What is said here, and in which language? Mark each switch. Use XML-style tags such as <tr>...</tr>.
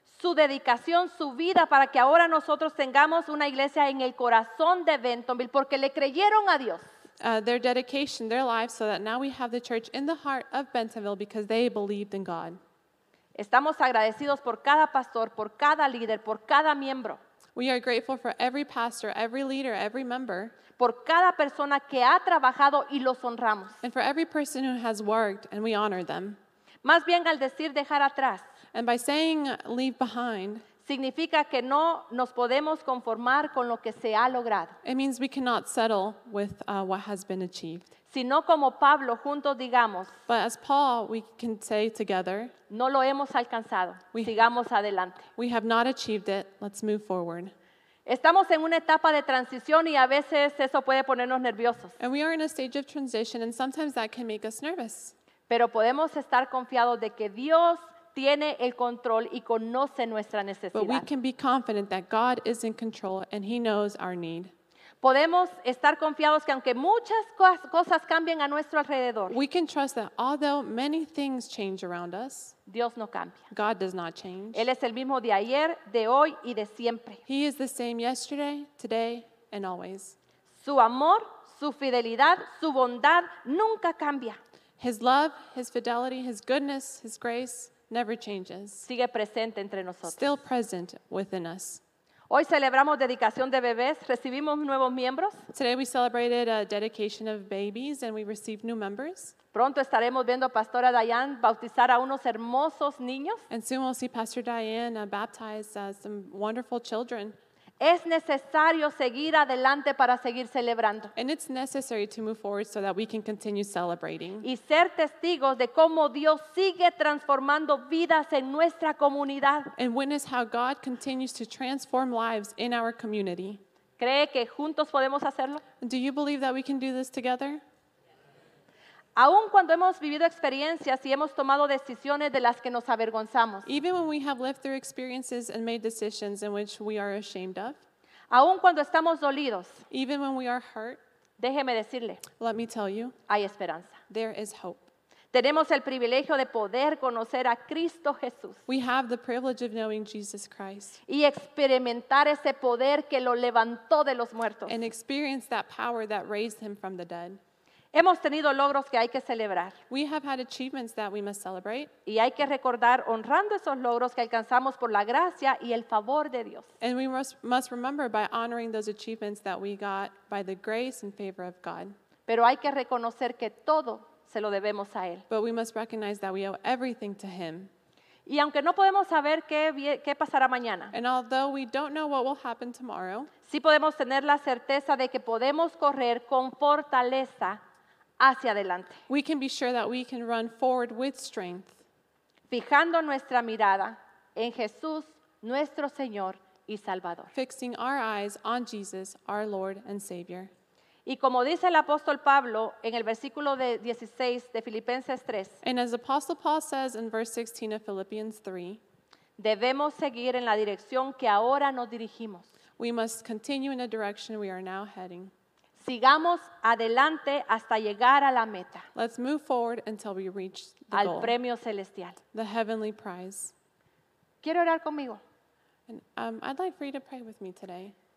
<es>Su dedicación, su vida, para que ahora nosotros tengamos una iglesia en el corazón de Bentonville, porque le creyeron a Dios.</es> <en>Their dedication, their life, so that now we have the church in the heart of Bentonville because they believed in God.</en> <es>Estamos agradecidos por cada pastor, por cada líder, por cada miembro.</es> <en>We are grateful for every pastor, every leader, every member.</en> <es>Por cada persona que ha trabajado y los honramos.</es> <en>And for every person who has worked and we honor them.</en> <es>Más bien al decir dejar atrás.</es> <en>And by saying leave behind.</en> <es>Significa que no nos podemos conformar con lo que se ha logrado.</es> <en>It means we cannot settle with what has been achieved.</en> <es>Sino como Pablo juntos digamos.</es> <en>But as Paul we can say together.</en> <es>No lo hemos alcanzado. Sigamos adelante.</es> <en>We have not achieved it. Let's move forward.</en> <es>Estamos en una etapa de transición y a veces eso puede ponernos nerviosos.</es> <en>And we are in a stage of transition and sometimes that can make us nervous.</en> <es>Pero podemos estar confiados de que Dios tiene el control y conoce nuestra necesidad.</es> <en>But we can be confident that God is in control and he knows our need.</en> <es>Podemos estar confiados que aunque muchas cosas cambien a nuestro alrededor,</es> <en>we can trust that although many things change around us,</en> <es>Dios no cambia.</es> <en>God does not change.</en> <es>Él es el mismo de ayer, de hoy y de siempre.</es> <en>He is the same yesterday, today, and always.</en> <es>Su amor, su fidelidad, su bondad nunca cambia.</es> <en>His love, his fidelity, his goodness, his grace never changes.</en> <es>Sigue presente entre nosotros.</es> <en>Still present within us.</en> <es>Hoy celebramos dedicación de bebés, recibimos nuevos miembros.</es> <en>Today we celebrated a dedication of babies and we received new members.</en> <es>Pronto estaremos viendo a Pastora Diane bautizar a unos hermosos niños.</es> <en>And soon we'll see Pastor Diane baptize some wonderful children.</en> <es>Es necesario seguir adelante para seguir celebrando.</es> <en>And it's necessary to move forward so that we can continue celebrating.</en> <es>Y ser testigos de cómo Dios sigue transformando vidas en nuestra comunidad.</es> <en>And witness how God continues to transform lives in our community.</en> <es>¿Cree que juntos podemos hacerlo?</es> <en>Do you believe that we can do this together?</en> <es>Aun cuando hemos vivido experiencias y hemos tomado decisiones de las que nos avergonzamos.</es> <en>Even when we have lived through experiences and made decisions in which we are ashamed of.</en> <es>Aun cuando estamos dolidos.</es> <en>Even when we are hurt.</en> <es>Déjeme decirle.</es> <en>Let me tell you.</en> <es>Hay esperanza.</es> <en>There is hope.</en> <es>Tenemos el privilegio de poder conocer a Cristo Jesús.</es> <en>We have the privilege of knowing Jesus Christ.</en> <es>Y experimentar ese poder que lo levantó de los muertos.</es> <en>And experience that power that raised him from the dead.</en> <es>Hemos tenido logros que hay que celebrar.</es> <en>We have had achievements that we must celebrate.</en> <es>Y hay que recordar honrando esos logros que alcanzamos por la gracia y el favor de Dios.</es> <en>And we must remember by honoring those achievements that we got by the grace and favor of God.</en> <es>Pero hay que reconocer que todo se lo debemos a él.</es> <en>But we must recognize that we owe everything to him.</en> <es>Y aunque no podemos saber qué pasará mañana,</es> <en>and although we don't know what will happen tomorrow,</en> <es>sí podemos tener la certeza de que podemos correr con fortaleza hacia adelante.</es> <en>We can be sure that we can run forward with strength.</en> <es>Fijando nuestra mirada en Jesús, nuestro Señor y Salvador.</es> <en>Fixing our eyes on Jesus, our Lord and Savior.</en> <es>Y como dice el apóstol Pablo en el versículo de 16 de Filipenses 3.</es> <en>And as Apostle Paul says in verse 16 of Philippians 3.</en> <es>Debemos seguir en la dirección que ahora nos dirigimos.</es> <en>We must continue in the direction we are now heading.</en> <es>Sigamos adelante hasta llegar a la meta.</es> <en>Let's move forward until we reach the goal.</en> <es>Al premio celestial.</es> <en>The heavenly prize.</en> <es>Quiero orar conmigo.</es> <en>And, I'd like for you to pray with me today.</en>